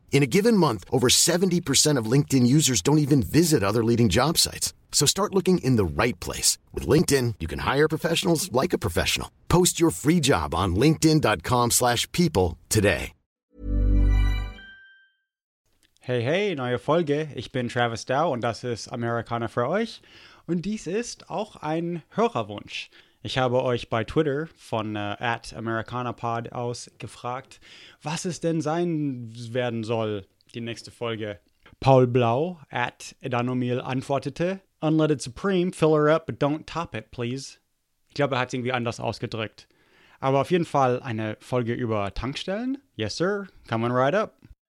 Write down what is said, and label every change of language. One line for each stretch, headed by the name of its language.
English: In a given month, over 70% of LinkedIn users don't even visit other leading job sites. So start looking in the right place. With LinkedIn, you can hire professionals like a professional. Post your free job on linkedin.com/people today.
German: Hey, hey, neue Folge. Ich bin Travis Dow und das ist Amerikaner für euch. Und dies ist auch ein Hörerwunsch. Ich habe euch bei Twitter von @AmericanaPod aus gefragt, was es denn sein werden soll, die nächste Folge.
English: Paul Blau @Edanomil antwortete, Unleaded Supreme, fill her up, but don't top it, please.
German: Ich glaube, er hat es irgendwie anders ausgedrückt. Aber auf jeden Fall eine Folge über Tankstellen.
English: Yes, sir. Come on right up.